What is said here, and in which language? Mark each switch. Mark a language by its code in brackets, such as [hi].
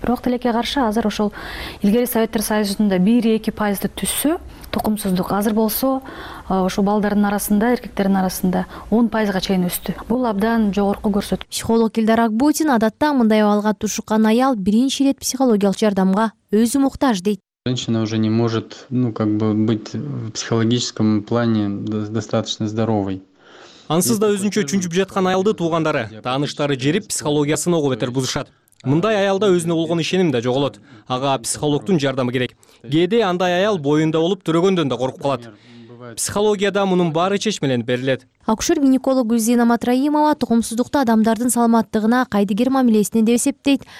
[ky] Бирок тилекке каршы азыр ошол илгери советтер союзунда 1-2% түшсө тукумсуздук, азыр болсо ошо балдардын арасында, эркектердин арасында 10%га чейин өстү. Бул абдан жогорку көрсөткүч. Психолог Илдар Акбутин адатта мындай абалга тушуккан аял биринчи ирет психологиялык жардамга өзү муктаж дейт. [ru] Женщина уже не может, быть в психологическом плане достаточно здоровой. [ky] Ансыз да өзүнчө чүнчүп жаткан аялды туугандары, тааныштары жерип, психологиясын ого бетер бузушат. Мындай аялда өзүнө болгон ишеним да жоголот. Ага психологтун жардамы керек. Кээде андай аял боюнда болуп төрөгөндөн да коркуп калат. Психологияда мунун баары чечмеленип берилет. Акушер-гинеколог Гүлзина Матраимова тукумсуздукту адамдардын саламаттыгына кайдыгер мамилесинен деп эсептейт.